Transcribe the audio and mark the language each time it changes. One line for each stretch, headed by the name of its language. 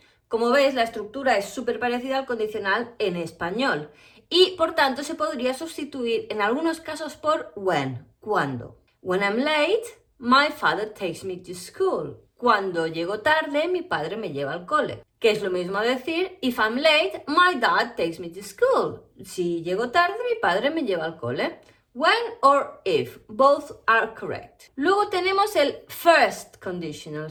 Spanish: Como veis, la estructura es súper parecida al condicional en español. Y, por tanto, se podría sustituir en algunos casos por when, cuando.
English: When I'm late, my father takes me to school.
Spanish: Cuando llego tarde, mi padre me lleva al cole. Que es lo mismo decir,
English: if I'm late, my dad takes me to school.
Spanish: Si llego tarde, mi padre me lleva al cole.
English: When or if, both are correct.
Spanish: Luego tenemos el
English: first conditional.